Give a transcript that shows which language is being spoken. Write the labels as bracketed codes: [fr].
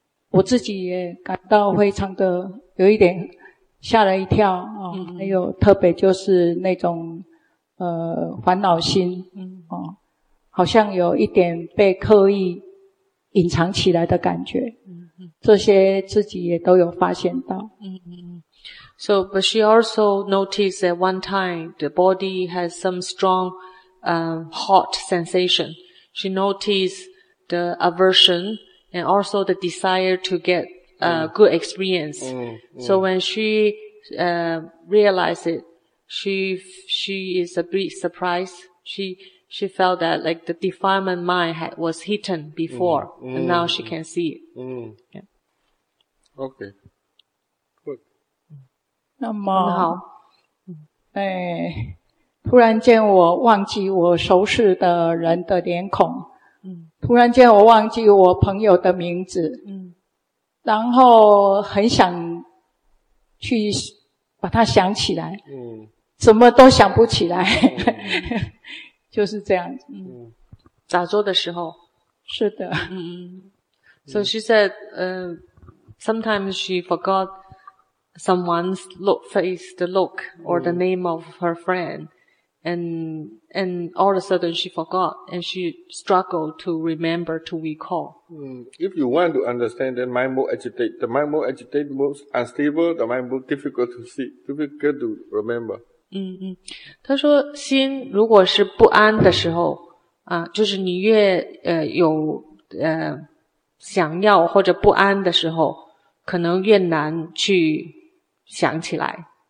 [zh] 我自己也感到非常的有一点吓了一跳啊、还有特别就是那种烦恼心啊、好像有一点被刻意隐藏起来的感觉，这些自己也都有发现到。 [en] So, but she also noticed that one time the body has some strong, hot sensation. She noticed the aversion and also the desire to get good experience. So when she realized it, she is a bit surprised. She felt that like the defilement mind was hidden before, and now she can see it. Okay. Good. [zh] 那么好，突然间我忘记我熟识的人的脸孔。突然间我忘记我朋友的名字。然后很想去把它想起来，怎么都想不起来，就是这样子。打坐的时候，是的。 [en] So she said, sometimes she forgot someone's look, face, the look, or the name of her friend, and all of a sudden she forgot, and she struggled to remember, to recall. If you want to understand, then mind more agitate. The mind more agitate, most unstable, the mind more difficult to see, difficult to remember. [zh] 他说心如果是不安的时候啊，就是你越有想要或者不安的时候，可能越难去想起来。